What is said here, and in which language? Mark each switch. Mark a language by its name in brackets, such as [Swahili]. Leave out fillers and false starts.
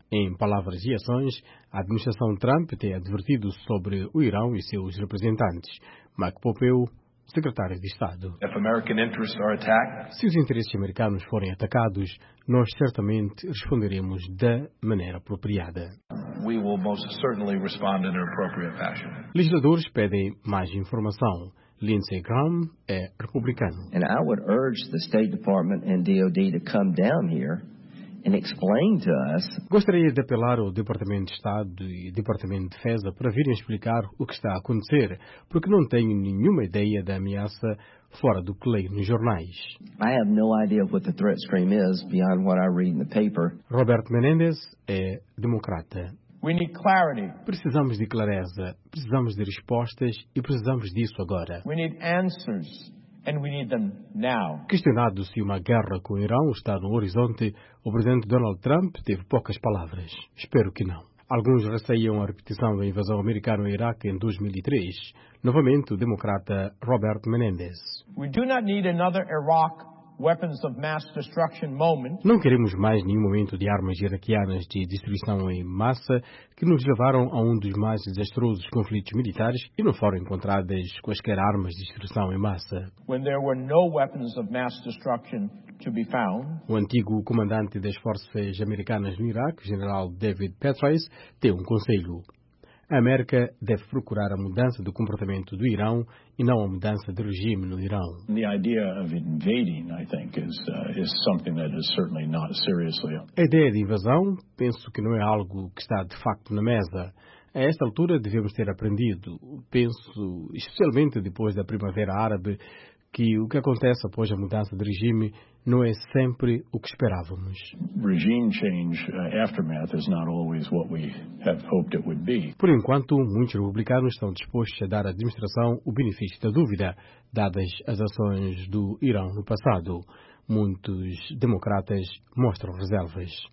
[Portuguese] Em palavras e ações, a administração Trump tem advertido sobre o Irã e seus representantes. Mike Pompeo, secretário de Estado. Se os interesses americanos forem atacados, nós certamente responderemos da maneira apropriada. [English] We will most certainly respond in an appropriate fashion. [Portuguese] Legisladores pedem mais informação. Lindsey Graham é republicano. [English] And I would urge the State Department and DOD to come down here and explain to us. [Portuguese] Gostaria de apelar ao Departamento de Estado e Departamento de Defesa para virem explicar o que está a acontecer, porque não tenho nenhuma ideia da ameaça fora do que leio nos jornais. [English] I have no idea what the threat stream is beyond what I read in the paper. [Portuguese] Robert Menendez é democrata. [English] We need clarity. [Portuguese] Precisamos de clareza, precisamos de respostas e precisamos disso agora. [English] We need answers and we need them now. [Portuguese] Questionado se uma guerra com o Irã está no horizonte, o presidente Donald Trump teve poucas palavras. Espero que não. Alguns receiam a repetição da invasão americana no Iraque em 2003. Novamente, o democrata Robert Menendez. [English] We do not need another Iraq weapons of mass destruction moment. [Portuguese] Não queremos mais nenhum momento de armas iraquianas de destruição em massa que nos levaram a um dos mais desastrosos conflitos militares e não foram encontradas quaisquer armas de destruição em massa. [English] When there were no weapons of mass destruction to be found. [Portuguese] O antigo comandante das forças americanas no Iraque, General David Petraeus, deu um conselho. A América deve procurar a mudança do comportamento do Irão e não a mudança de regime no Irão. A ideia de invasão, penso que não é algo que está de facto na mesa. A esta altura devemos ter aprendido, penso, especialmente depois da Primavera Árabe, que o que acontece após a mudança de regime não é sempre o que esperávamos. [English] Regime change aftermath is not always what we had hoped it would be. [Portuguese] Por enquanto, muitos republicanos estão dispostos a dar à administração o benefício da dúvida, dadas as ações do Irã no passado. Muitos democratas mostram reservas.